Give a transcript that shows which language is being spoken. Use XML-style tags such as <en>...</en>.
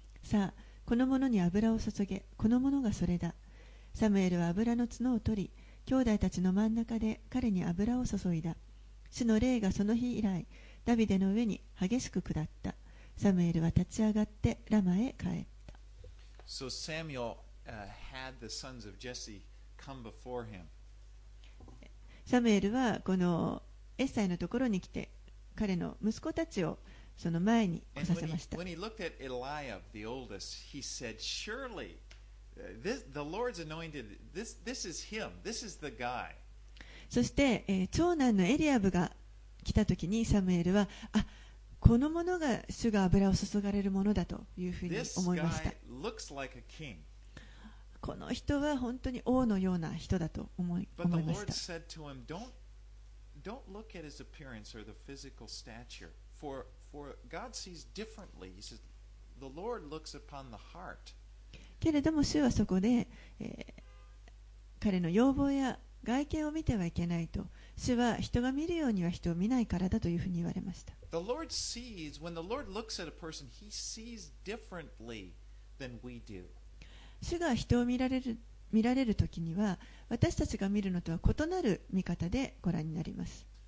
<ja>さあ、この者に油を注げ。この者がそれだ。サムエルは油の角を取り、兄弟たちの真ん中で彼に油を注いだ。主の霊がその日以来ダビデの上に激しく下った。サムエルは立ち上がってラマへ帰った。</ja> <en>So Samuel, had the sons of Jesse come before him.</en> <ja>サムエルはこのエッサイのところに来て、彼の息子たちをその前に来させました。</ja> <en>When he looked at Eliab, the oldest, he said, "Surely, this the Lord's anointed. This is him. This is the guy."</en> <ja>そして、長男のエリアブが来た時にサムエルは、あ、このものが主が油を注がれるものだというふうに思いました。</ja> <en>This guy looks like a king.</en> <ja>この人は本当に王のような人だと思いました。</ja> <en>But the Lord said to him, "Don't look at his appearance or the physical stature. For God sees differently." He says, "The Lord looks upon the heart."</en> <ja>けれども主はそこで、彼の容貌や外見を見てはいけないと、主は人が見るようには人を見ないからだというふうに言われました。</ja> <en>The Lord sees when the Lord looks at a person, He sees differently than we do.</en> <ja>主が人を見られる時には、私たちが見るのとは異なる見方でご覧になります。</ja>